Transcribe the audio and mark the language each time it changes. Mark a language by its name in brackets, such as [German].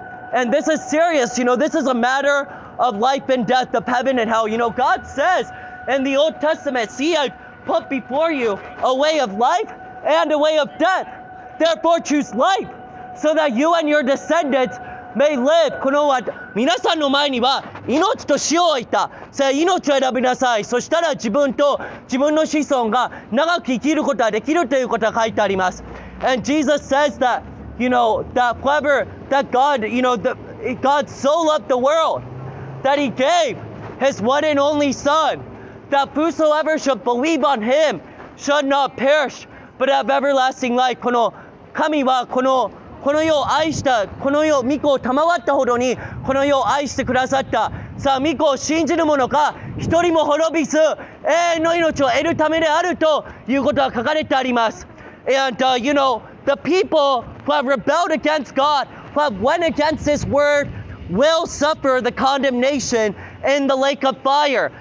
[English] And this is serious, you know, this is a matter of life and death, of heaven and hell. You know, God says in the Old Testament, See, I put before you a way of life and a way of deathTherefore choose life, so that you and your descendants may live. [Japanese] この皆さんの前には命と死を置いた。それ命を選びなさい。そしたら自分と自分の子孫が長く生きることができるということが書いてあります。 [English] And Jesus says that, you know, that whoever, that God, you know, that God so loved the world that he gave his one and only son, that whosoever should believe on him should not perish. But have everlasting life. [Japanese] この神はこの世を愛した、この世を御子を賜ったほどにこの世を愛してくださった。さあ御子を信じる者が一人も滅びず永遠の命を得るためであるということが書かれてあります。 [English] And you know, the people who have rebelled against God, who have went against His word, will suffer the condemnation in the lake of fire.